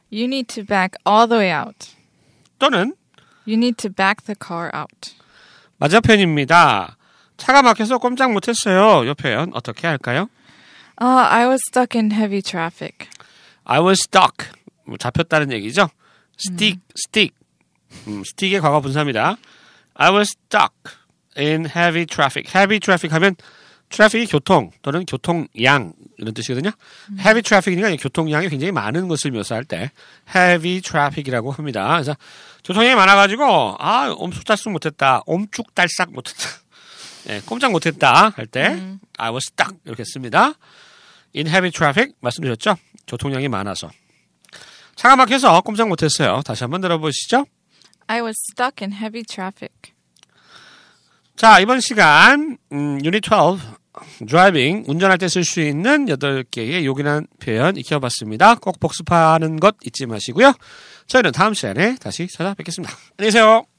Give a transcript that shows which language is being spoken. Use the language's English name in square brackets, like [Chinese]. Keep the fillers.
[English] You need to back all the way out. [Korean] 또는 [English] You need to back the car out. [Korean] 맞은편입니다. 차가 막혀서 꼼짝 못했어요. 이 표현 어떻게 할까요? [English] Uh, I was stuck in heavy traffic. I was stuck. [Korean] 뭐 잡혔다는 얘기죠. [English] stick, stick. [Korean] 음, stick의 과거 분사입니다. [English] I was stuck in heavy traffic. [Korean] heavy traffic 하면 트래픽이 교통 또는 교통량 이런 뜻이거든요. heavy traffic이니까 교통량이 굉장히 많은 것을 묘사할 때 heavy traffic이라고 합니다. 그래서 교통량이 많아가지고 아 엄숙달싹 못했다, 엄죽달싹 못했다, 예, 꼼짝 못했다 할 때 [English] I was stuck [Korean] 이렇게 씁니다. [English] in heavy traffic [Korean] 말씀드렸죠? 교통량이 많아서 차가 막혀서 꼼짝 못했어요. 다시 한번 들어보시죠. [English] I was stuck in heavy traffic. [Korean] 자 이번 시간 음, 유닛 12 드라이빙 운전할 때 쓸 수 있는 8개의 요긴한 표현 익혀봤습니다. 꼭 복습하는 것 잊지 마시고요. 저희는 다음 시간에 다시 찾아뵙겠습니다. 안녕히 계세요.